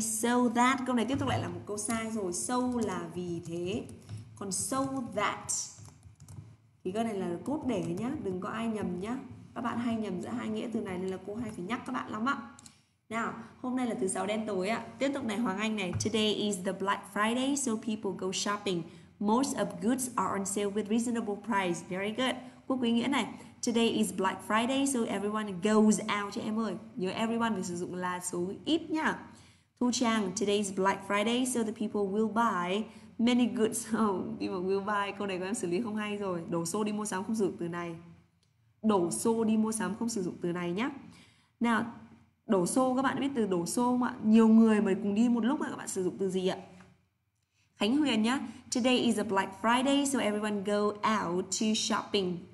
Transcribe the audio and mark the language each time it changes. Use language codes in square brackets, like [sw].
[vi] So that, câu này tiếp tục lại là một câu sai rồi. So là vì thế. Còn so that thì câu này là cốt để nhá, đừng có ai nhầm nhá. Các bạn hay nhầm giữa hai nghĩa từ này nên là cô hay phải nhắc các bạn lắm ạ. Nào, hôm nay là thứ sáu đen tối ạ. Tiếp tục này Hoàng Anh này. [en] Today is the Black Friday, so people go shopping. Most of goods are on sale with reasonable price. Very good. [vi] Cô quý nghĩa này. [en] Today is Black Friday, so everyone goes out. [vi] Chị em ơi, nhớ everyone phải sử dụng là số ít nha. Thu Trang. [en] Today is Black Friday, so the people will buy many goods. [vi] Khi mà will buy, câu này của em xử lý không hay rồi. Đổ xô đi mua sắm không sử dụng từ này. Đổ xô đi mua sắm không sử dụng từ này nhé. Nào, đổ xô, các bạn biết từ đổ xô không ạ? Nhiều người mà cùng đi một lúc các bạn sử dụng từ gì ạ? Khánh Huyền nhé. [en] Today is a Black Friday, so everyone go out to shopping.